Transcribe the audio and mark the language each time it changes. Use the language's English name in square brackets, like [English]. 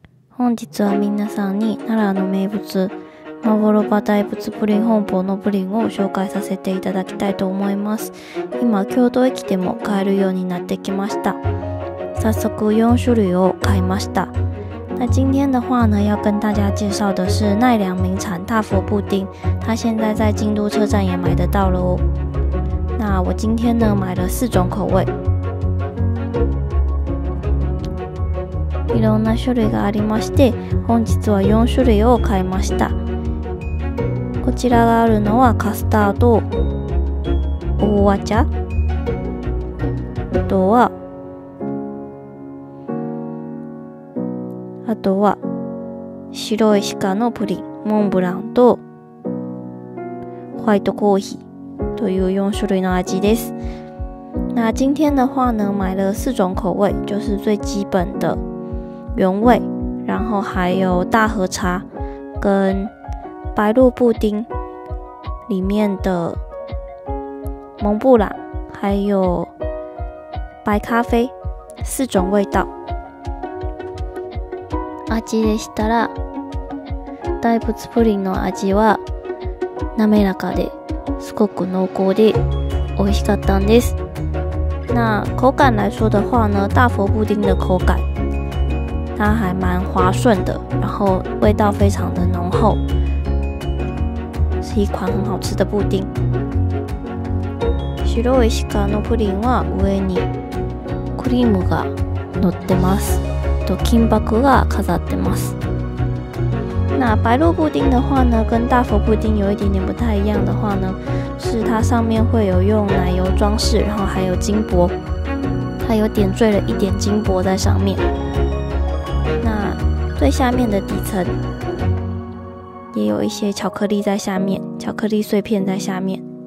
[Japanese] 本日は皆さんに奈良の名物マボロバ大仏プリン本舗のプリンを紹介させていただきたいと思います。今京都駅でも買えるようになってきました。早速4種類を買いました。 [Chinese] 那今天的话呢，要跟大家介绍的是奈良名产大佛布丁，它现在在京都车站也买得到了哦。那我今天呢买了四种口味。 [Japanese] いろんな種類がありまして、本日は4種類を買いました。こちらがあるのはカスタード、おわ茶、あとは白い鹿のプリン、モンブランとホワイトコーヒーという4種類の味です。 [Chinese] 那今天的话呢，买了四种口味，就是最基本的原味，然后还有大和茶跟白露布丁里面的蒙布朗，还有白咖啡四种味道。 [Japanese] 味でしたら、大仏プリンの味は滑らかですごく濃厚で美味しかったんです。 [Chinese] 那口感来说的话呢，大佛布丁的口感它还蛮滑顺的，然后味道非常的浓厚，是一款很好吃的布丁。 [Japanese] 白い鹿のプリンは上にクリームが乗ってます。と金箔が飾ってます。 [Chinese] 那白露布丁的话呢，跟大佛布丁有一点点不太一样的话呢，是它上面会有用奶油装饰，然后还有金箔，它有点缀了一点金箔在上面。那最下面的底层也有一些巧克力在下面，巧克力碎片在下面。